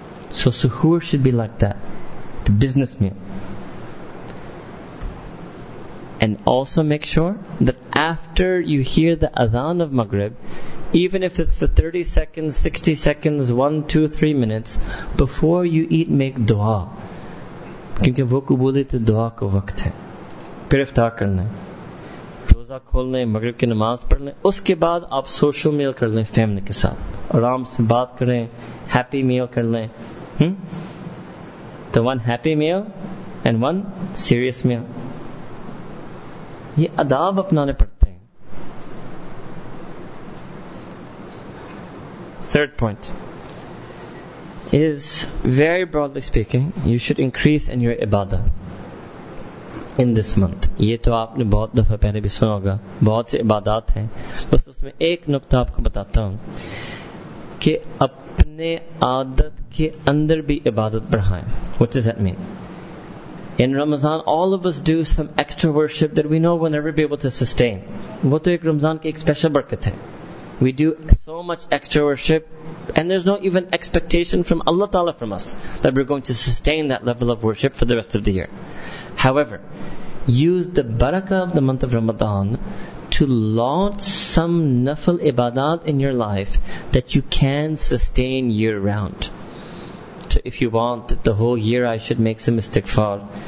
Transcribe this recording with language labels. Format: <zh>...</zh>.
<en>So suhoor should be like that, the business meal. And also make sure that after you hear the adhan of Maghrib, even if it's for 30 seconds, 60 seconds, 1, 2, 3 minutes, before you eat, make dua. Because</en> <ur>وہ قبولیت دعا کا وقت ہے. پھر افطار کرنا ہے, روزہ کھولنے, مغرب کی نماز پڑھ لیں, اس کے بعد آپ سوشل میل کر لیں فیملی کے ساتھ, آرام سے بات کریں, ہیپی میل کر لیں.</ur> <en>تو one happy meal and one serious meal.</en> <ur>یہ آداب اپنانے پڑتے ہیں.</ur> <en>Third point is, very broadly speaking, you should increase in your ibadah in this month.</en> <ur>یہ تو آپ نے بہت دفعہ پہلے بھی سنا ہوگا, بہت سے عبادات ہیں. بس اس میں ایک نقطہ آپ کو بتاتا ہوں کہ اپنے عادت کے اندر بھی عبادت بڑھائیں.</ur> <en>What does that mean? In Ramadan, all of us do some extra worship that we know we'll never be able to sustain.</en> <ur>وہ تو ایک رمضان کی ایک اسپیشل برکت ہے.</ur> <en>We do so much extra worship and there's no even expectation from Allah Ta'ala from us that we're going to sustain that level of worship for the rest of the year. However, use the barakah of the month of Ramadan to launch some nafil ibadat in your life that you can sustain year round. So if you want, the whole year I should make some istighfar,</en>